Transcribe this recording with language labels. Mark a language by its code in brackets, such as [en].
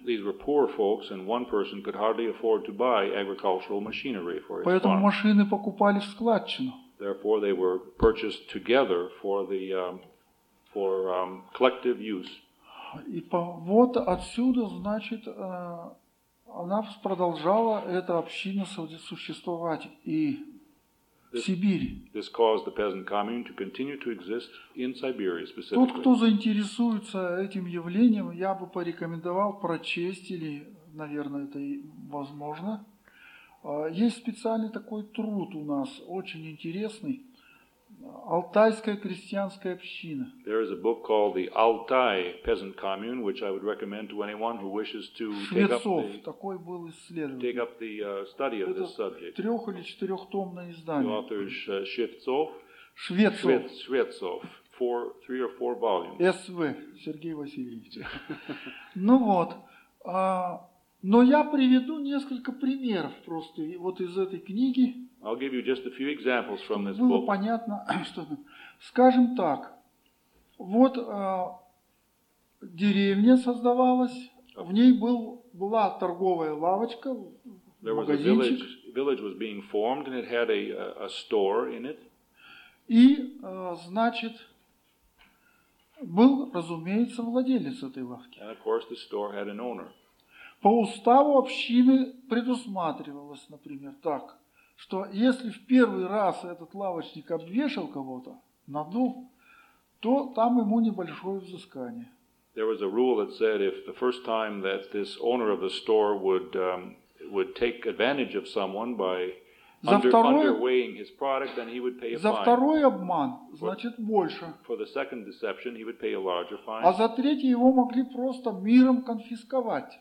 [en] These were poor folks, and one person could hardly afford to buy agricultural machinery for his farm. [ru] Поэтому [en] farm. [ru] Машины покупали в складчину. [en] Therefore, they were purchased together for the for collective use. [ru] И вот отсюда, значит, она продолжала эта община существовать и [en] This caused the peasant commune to continue to exist in Siberia specifically. [ru] Тот, кто заинтересуется этим явлением, я бы порекомендовал прочесть, или, наверное, это и возможно. Есть специальный такой труд у нас, очень интересный. Алтайская крестьянская община. There is a book called the Altai Peasant Commune, which I would recommend to anyone who wishes to take up the study of this subject. Трех или четырехтомное издание. [en] The author is Швецов. [ru] Швецов. [en] Швецов. Three or four volumes. [ru] СВ. Сергей Васильевич. Ну вот. Но я приведу несколько примеров просто вот из этой книги. [en] I'll give you just a few examples from this [ru] Было [en] book. [ru] Понятно, что, скажем так, вот деревня создавалась, в ней была торговая лавочка, [en] There [ru] магазинчик. [en] Was a village was being formed, and it had a store in it. [ru] И, значит, был, разумеется, владелец этой лавки. [en] And of course, the store had an owner. [ru] По уставу общины предусматривалось, например, так, что если в первый раз этот лавочник обвешал кого-то, надул, то там ему небольшое взыскание. [en] There was a rule that said if the first time that this owner of the store would take advantage of someone by underweighing his product, then he would pay a fine. [ru] За второй обман, значит, больше. [en] For the second deception, he would pay a larger fine. [ru] А за третий его могли просто миром конфисковать.